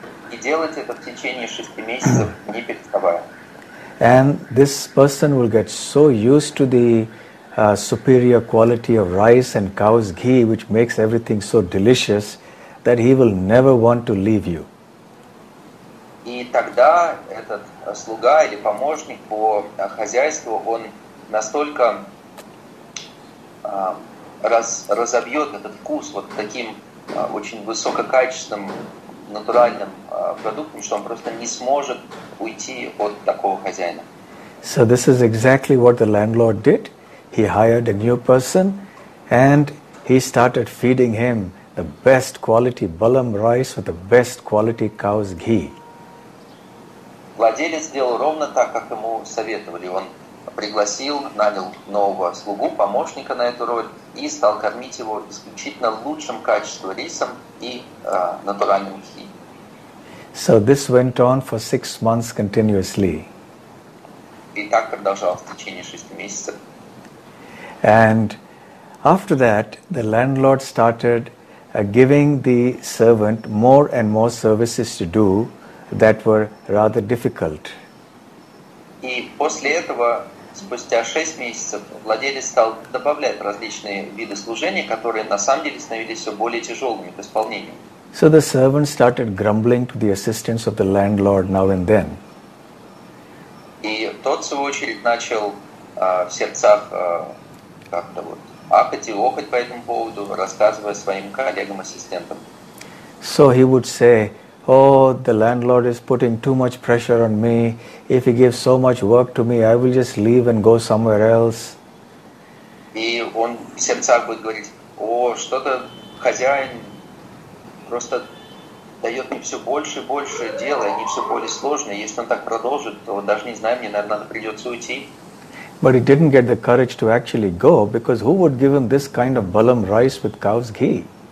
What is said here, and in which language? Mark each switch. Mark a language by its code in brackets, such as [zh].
[ru] И делать это в течение 6 месяцев, не переставая. [en] And this person will get so used to the superior quality of rice and cow's ghee, which makes everything so delicious, that he will never want to leave you. [ru] И тогда этот слуга или помощник по хозяйству, он настолько разобьет этот вкус вот таким очень высококачественным натуральным продуктом, что он просто не сможет уйти от такого хозяина. [en] So this is exactly what the landlord did. He hired a new person and he started feeding him the best quality balam rice with the best quality cow's ghee. [ru] Владелец сделал ровно так, как ему советовали. Он пригласил, нанял нового слугу, помощника на эту роль, и стал кормить его исключительно лучшим качеством рисом и натуральным ghee. [en] So this went on for 6 months continuously. [ru] И так продолжалось в течение 6 месяцев. [en] And after that, the landlord started giving the servant more and more services to do that were rather difficult. [ru] И после этого спустя 6 месяцев владелец стал добавлять различные виды служения, которые на самом деле становились все более тяжелыми в исполнении. [en] So the servant started grumbling to the assistance of the landlord now and then. [ru] И тот, в свою очередь, начал в сердцах как-то вот ахать и охать по этому поводу, рассказывая своим коллегам-ассистентам. [en] So he would say, oh, the landlord is putting too much pressure on me. If he gives so much work to me, I will just leave and go somewhere else. [ru] И он в сердцах будет говорить, о, что-то хозяин просто дает мне все больше и больше дел, и они все более сложные. Если он так продолжит, то даже не знаю, мне, наверное, придется уйти. [en] But he didn't get the courage to actually go, because who would give him this kind of balam rice with cow's ghee?